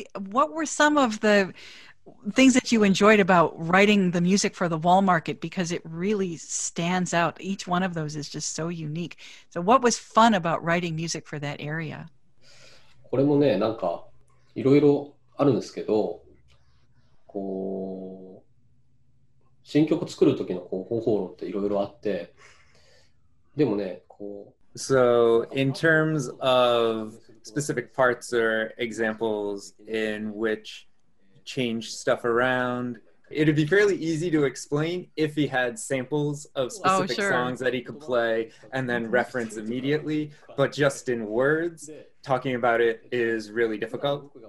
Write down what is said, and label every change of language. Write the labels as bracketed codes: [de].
[en] What were some of the things that you enjoyed about writing the music for the Wall Market, because it really stands out. Each one of those is just so unique. So what was fun about writing music for that area? [ja] これもね、なんかいろいろあるんですけど、こう新曲作る時のこう方法論っていろいろあって、でもね、こう [en] So in terms of specific parts or examples in whichchange stuff around. It'd be fairly easy to explain if he had samples of specific oh, sure. songs that he could play and then reference immediately, but just in words, talking about it is really difficult.